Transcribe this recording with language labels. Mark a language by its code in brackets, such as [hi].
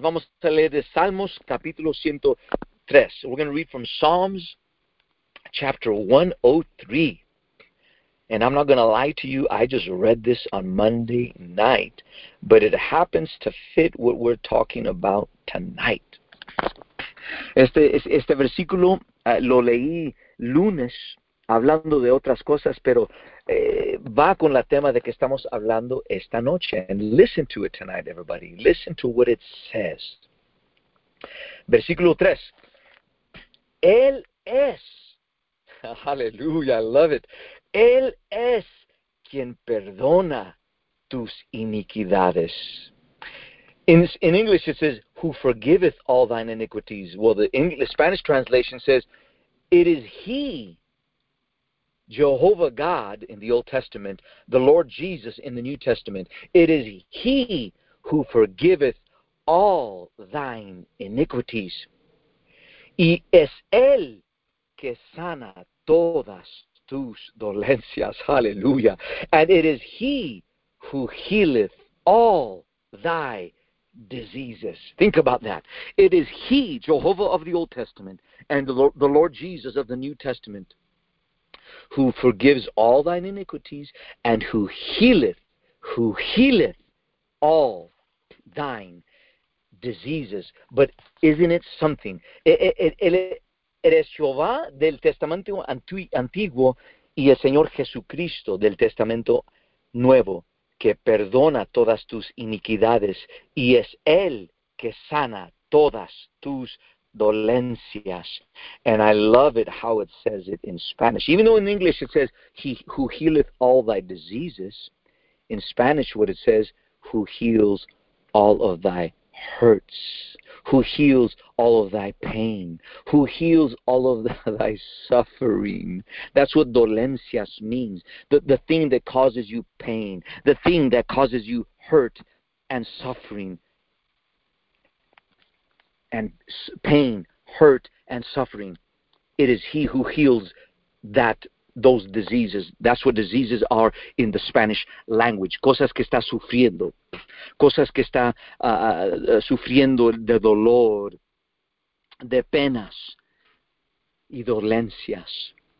[es] Vamos a leer de Salmos, capítulo 103. [en] We're going to read from Psalms, chapter 103. And I'm not going to lie to you. I just read this on Monday night. But it happens to fit what we're talking about tonight. [es] Este versículo lo leí lunes, hablando de otras cosas, pero va con la tema de que estamos hablando esta noche. [en] And listen to it tonight, everybody. Listen to what it says. [es] Versículo 3. Él es, [en] hallelujah, I love it. [es] Él es quien perdona tus iniquidades. [en] In English it says, who forgiveth all thine iniquities. Well, the Spanish translation says, it is he, Jehovah God in the Old Testament, the Lord Jesus in the New Testament, it is he who forgiveth all thine iniquities. [es] Y es él que sana todas tus dolencias. [en] Hallelujah. And it is he who healeth all thy diseases. Think about that. It is he, Jehovah of the Old Testament, and the Lord Jesus of the New Testament, who forgives all thine iniquities, and who healeth all thine diseases. But isn't it something? [es] Eres Jehová del Testamento Antiguo y el Señor Jesucristo del Testamento Nuevo, que perdona todas tus iniquidades, y es Él que sana todas tus dolencias. [en] And I love it how it says it in Spanish. Even though in English it says, he who healeth all thy diseases, in Spanish what it says, who heals all of thy hurts, who heals all of thy pain, who heals all of thy suffering. That's what dolencias means. The thing that causes you pain, the thing that causes you hurt and suffering. And pain, hurt, and suffering. It is he who heals those diseases. That's what diseases are in the Spanish language. [es] Cosas que está sufriendo. Cosas que está sufriendo de dolor, de penas, y dolencias.